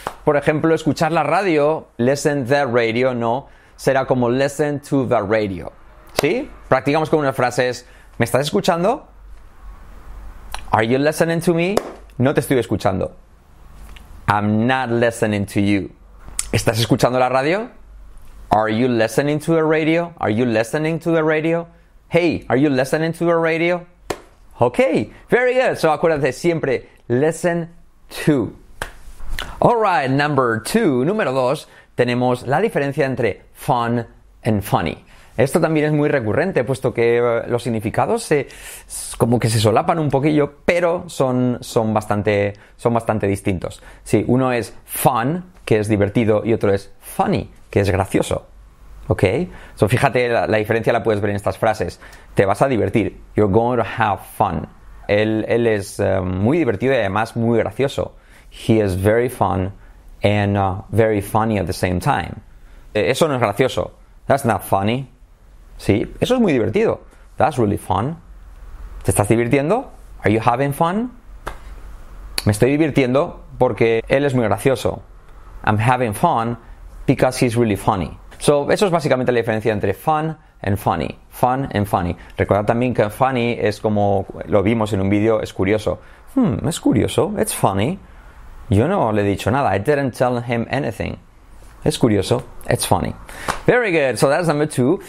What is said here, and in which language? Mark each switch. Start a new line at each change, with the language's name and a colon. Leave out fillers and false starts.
Spanish: Por ejemplo, escuchar la radio,
English: listen the radio,
Spanish: no, será como
English: listen to the radio.
Spanish: ¿Sí? Practicamos con unas frases. ¿Me estás escuchando?
English: Are you listening to me?
Spanish: No te estoy escuchando.
English: I'm not listening to you.
Spanish: ¿Estás escuchando la radio?
English: Are you listening to the radio? Are you listening to the radio? Hey, are you listening to the radio? Ok, very good. So
Spanish: acuérdate siempre,
English: listen to. All right, number two.
Spanish: Número dos, tenemos la diferencia entre fun and funny. Esto también es muy recurrente, puesto que los significados se solapan un poquillo, pero son bastante distintos. Sí, uno es fun, que es divertido, y otro es funny, que es gracioso. ¿Ok? So, fíjate, la diferencia la puedes ver en estas frases. Te vas a divertir.
English: You're going to have fun.
Spanish: Él es muy divertido y además muy gracioso.
English: He is very fun and very funny at the same time.
Spanish: Eso no es gracioso.
English: That's not funny.
Spanish: Sí, eso es muy divertido.
English: That's really fun.
Spanish: ¿Te estás divirtiendo?
English: Are you having fun?
Spanish: Me estoy divirtiendo porque él es muy gracioso.
English: I'm having fun because he's really funny.
Spanish: So, eso es básicamente la diferencia entre fun and funny. Fun and funny. Recordad también que funny es como lo vimos en un vídeo, es curioso. Es curioso,
English: it's funny.
Spanish: Yo no le he dicho nada,
English: I didn't tell him anything.
Spanish: Es curioso,
English: it's funny. Very good, so that's number two.